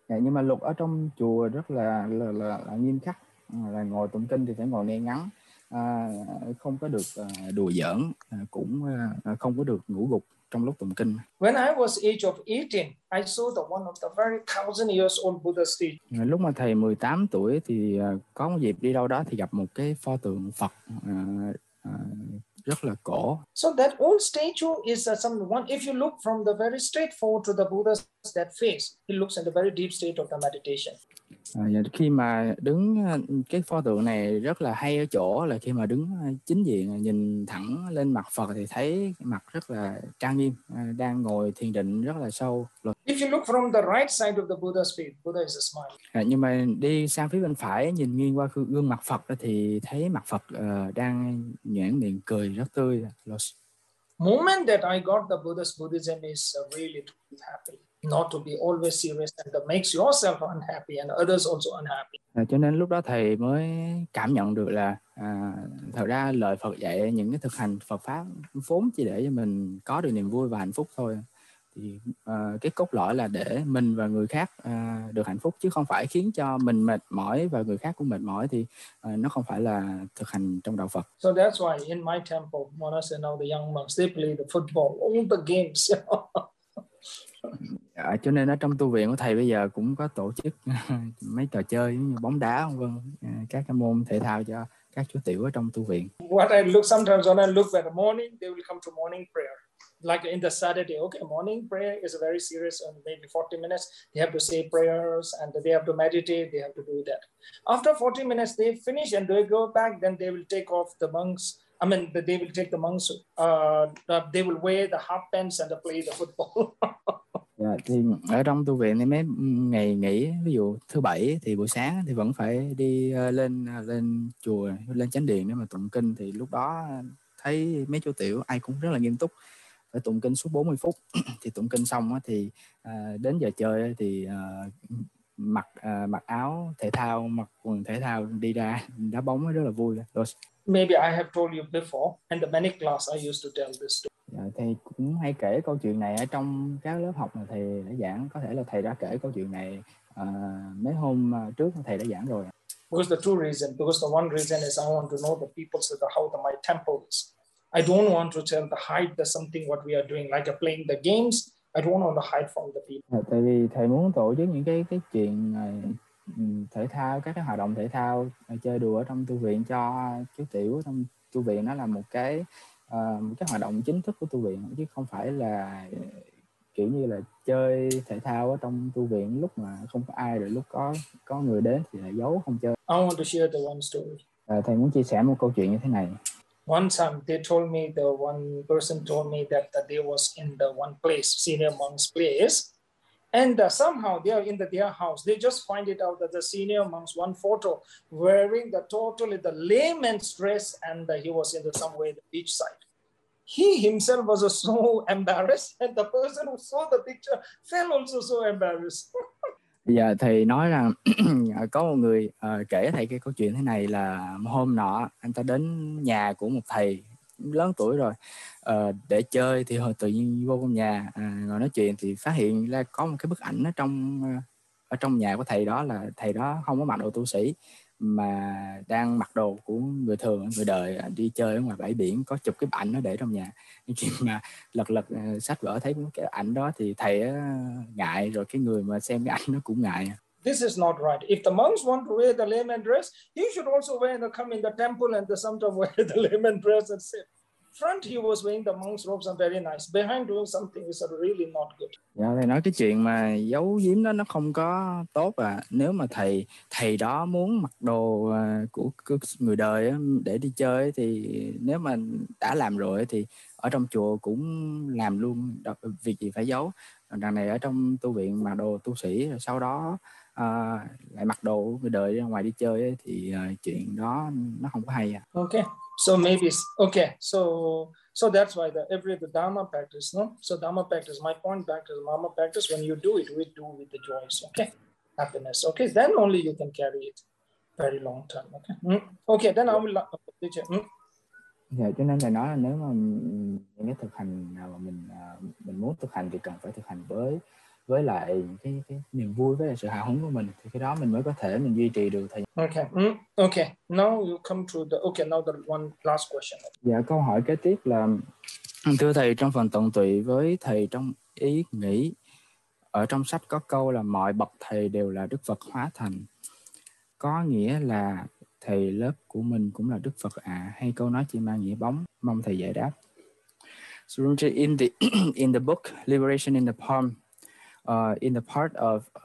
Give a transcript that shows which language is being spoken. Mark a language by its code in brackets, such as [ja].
[vi] Dạ, nhưng mà luật ở trong chùa rất là nghiêm khắc. Là ngồi tụng kinh thì phải ngồi ngay ngắn. Không có được đùa giỡn, cũng không có được ngủ gục trong lúc tụng kinh. [en] When I was age of 18, I saw the one of the very thousand years old Buddha statue. [vi] Lúc mà thầy 18 tuổi thì có một dịp đi đâu đó thì gặp một cái pho tượng Phật rất là cổ. [en] So that old statue is someone, if you look from the very straightforward to the Buddha's that face, he looks in a very deep state of the meditation. [vi] Và khi mà đứng cái pho tượng này rất là hay ở chỗ là khi mà đứng chính diện nhìn thẳng lên mặt Phật thì thấy mặt rất là trang nghiêm, đang ngồi thiền định rất là sâu. [en] If you look from the right side of the Buddha's feet, Buddha is smiling. [vi] Nhưng mà đi sang phía bên phải nhìn nghiêng qua gương mặt Phật thì thấy mặt Phật đang nhoẻn miệng cười rất tươi. [en] Moment that I got the Buddha's Buddhism is really happy. Not to be always serious and that makes yourself unhappy and others also unhappy. [vi] Cho nên lúc đó thầy mới cảm nhận được là thật ra lời Phật dạy những cái thực hành Phật pháp vốn chỉ để cho mình có được niềm vui và hạnh phúc thôi. Thì cái cốt lõi là để mình và người khác được hạnh phúc chứ không phải khiến cho mình mệt mỏi và người khác cũng mệt mỏi thì nó không phải là thực hành trong đạo Phật. [en] So that's why in my temple, when I send out the young monks, they play the football, all the games. [vi] Cho nên ở trong tu viện của thầy bây giờ cũng có tổ chức mấy trò chơi như bóng đá vân, các cái môn thể thao cho các chú tiểu ở trong tu viện. [en] What I look sometimes when I look at the morning, they will come to morning prayer. Like in the Saturday, okay, morning prayer is very serious, and maybe 40 minutes. They have to say prayers and they have to meditate, they have to do that. After 40 minutes, they finish and they go back, then they will take off the monks. I mean, they will take the monks, they will wear the half pants and play the football. [vi] Dạ, thì ở trong tu viện thì mấy ngày nghỉ ví dụ thứ bảy thì buổi sáng thì vẫn phải đi lên chùa lên chánh điện để mà tụng kinh thì lúc đó thấy mấy chú tiểu ai cũng rất là nghiêm túc phải tụng kinh suốt 40 phút thì tụng kinh xong thì đến giờ chơi thì mặc áo thể thao mặc quần thể thao đi ra đá bóng rất là vui. [en] Maybe I have told you before in the many class I used to tell this story. [vi] Dạ, thầy cũng hay kể câu chuyện này ở trong các lớp học mà thầy đã giảng. Có thể là thầy đã kể câu chuyện này mấy hôm trước thầy đã giảng rồi. [en] Because the two reasons. Because the one reason is I want to know the people so that how the, my temple is. I don't want to tell the hide the something what we are doing, like playing the games. I don't want to hide from the people. [vi] Dạ, tại vì thầy muốn tổ chức những cái chuyện này, thể thao, các cái hoạt động thể thao, chơi đùa ở trong tu viện cho chú tiểu trong tu viện nó là một cái... một cái hoạt động chính thức của tu viện chứ không phải là kiểu như là chơi thể thao ở trong tu viện lúc mà không có ai rồi lúc có người đến thì lại giấu không chơi. [en] I want to share the one story. [vi] Thầy muốn chia sẻ một câu chuyện như thế này. [en] One time they told me the one person told me that they was in the one place senior monk's place and somehow they are in their house they just find it out that the senior monk's one photo wearing the totally the layman's dress and he was in the somewhere the beach side he himself was so embarrassed and the person who saw the picture felt also so embarrassed. [vi] Dạ, thầy nói rằng có một người kể thầy cái câu chuyện thế này là hôm nọ anh ta đến nhà của một thầy lớn tuổi rồi để chơi thì hồi tự nhiên vô trong nhà ngồi nói chuyện thì phát hiện là có một cái bức ảnh ở trong nhà của thầy đó là thầy đó không có mặc đồ tu sĩ mà đang mặc đồ của người thường người đời đi chơi ở ngoài bãi biển có chụp cái ảnh nó để trong nhà nhưng khi mà lật sách vở thấy cái ảnh đó thì thầy ngại rồi cái người mà xem cái ảnh nó cũng ngại. [en] This is not right. If the monks want to wear the layman dress, he should also wear and come in the temple and the sometime wear the layman dress and sit. Front he was wearing the monks robes and very nice. Behind doing something is really not good. [vi] Yeah, thầy nói cái chuyện mà giấu giếm đó nó không có tốt à. Nếu mà thầy đó muốn mặc đồ của người đời để đi chơi thì nếu mà đã làm rồi thì ở trong chùa cũng làm luôn việc gì phải giấu. Đằng này ở trong tu viện mặc đồ tu sĩ rồi sau đó lại mặc đồ người đời ra ngoài đi chơi ấy, thì chuyện đó nó không có hay à. [en] Okay, so maybe okay, so that's why the dharma practice, no? So dharma practice, my point back to the dharma practice, when you do it, we do with the joys, okay? Happiness, okay? Then only you can carry it very long term, okay? Okay, then I will teacher. [vi] Dạ, cho nên thầy nói là nếu mà những cái thực hành nào mà mình muốn thực hành thì cần phải thực hành với lại cái niềm vui với sự hào hứng của mình thì cái đó mình mới có thể mình duy trì được thầy. [en] Okay. Okay. Now you come to the okay, now the one last question. [vi] Dạ, câu hỏi kế tiếp là thưa thầy trong phần tận tụy với thầy trong ý nghĩ ở trong sách có câu là mọi bậc thầy đều là Đức Phật hóa thành. Có nghĩa là thầy lớp của mình cũng là Đức Phật à, hay câu nói chỉ mang nghĩa bóng, mong thầy giải đáp. [en] So in the book Liberation in the Palm, in the part of